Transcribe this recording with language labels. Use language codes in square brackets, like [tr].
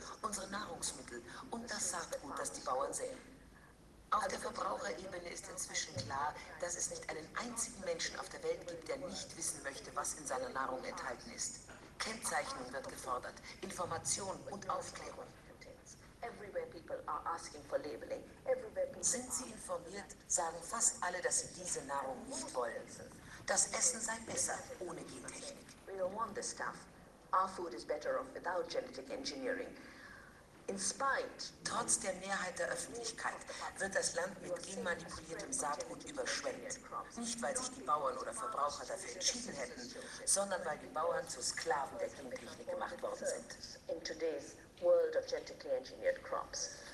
[de] Unsere Nahrungsmittel und das Saatgut, das die Bauern säen. Auf der Verbraucherebene ist inzwischen klar, dass es nicht einen einzigen Menschen auf der Welt gibt, der nicht wissen möchte, was in seiner Nahrung enthalten ist. Kennzeichnung wird gefordert, Information und Aufklärung. Sind sie informiert, sagen fast alle, dass sie diese Nahrung nicht wollen. Das Essen sei besser ohne Gentechnik. [en] We don't want this stuff. Our food is better off without genetic engineering. In spite, [de] trotz der Mehrheit der Öffentlichkeit, wird das Land mit genmanipuliertem Saatgut überschwemmt. Nicht, weil sich die Bauern oder Verbraucher dafür entschieden hätten, sondern weil die Bauern zu Sklaven der Gentechnik gemacht worden sind. [en] In today's world of genetically engineered crops.